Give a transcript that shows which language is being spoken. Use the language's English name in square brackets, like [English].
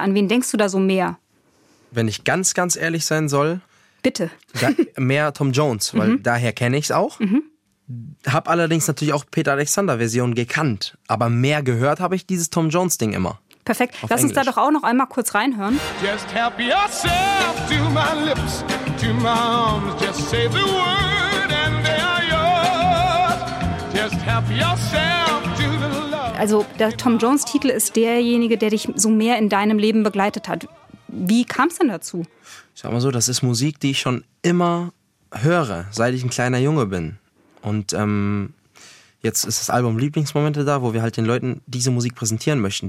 [German] An wen denkst du da so mehr? Wenn ich ganz, ganz ehrlich sein soll. Bitte. Mehr Tom Jones, weil daher kenne ich es auch. Mhm. Hab allerdings natürlich auch Peter Alexander Version gekannt, aber mehr gehört habe ich dieses Tom Jones Ding immer. Perfekt. Auf Lass Englisch. Uns da doch auch noch einmal kurz reinhören. [English] Just help yourself to my lips, to my arms, just say the word and they are yours. Just help yourself to the love. [German] Also, der Tom Jones Titel ist derjenige, der dich so mehr in deinem Leben begleitet hat. Wie kam es denn dazu? Ich sag mal so, das ist Musik, die ich schon immer höre, seit ich ein kleiner Junge bin. Und jetzt ist das Album Lieblingsmomente da, wo wir halt den Leuten diese Musik präsentieren möchten.